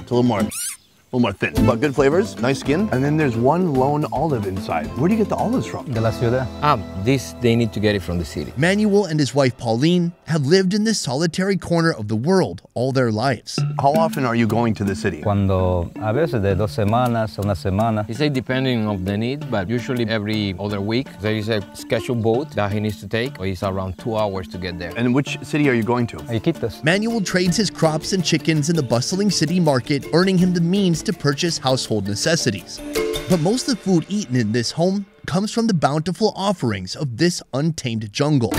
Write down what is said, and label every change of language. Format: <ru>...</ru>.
<en>It's a little more thin, but good flavors, nice skin. And then there's one lone olive inside. Where do you get the olives from?</en> <es>De la ciudad.</es> <en>They need to get it from the city. Manuel and his wife, Pauline, have lived in this solitary corner of the world all their lives. How often are you going to the city?</en> <es>Cuando, a veces de dos semanas, una semana.</es> <en>He said depending on the need, but usually every other week, there is a scheduled boat that he needs to take, or it's around 2 hours to get there. And which city are you going to? Iquitos. Manuel trades his crops and chickens in the bustling city market, earning him the means to purchase household necessities. But most of the food eaten in this home comes from the bountiful offerings of this untamed jungle.</en>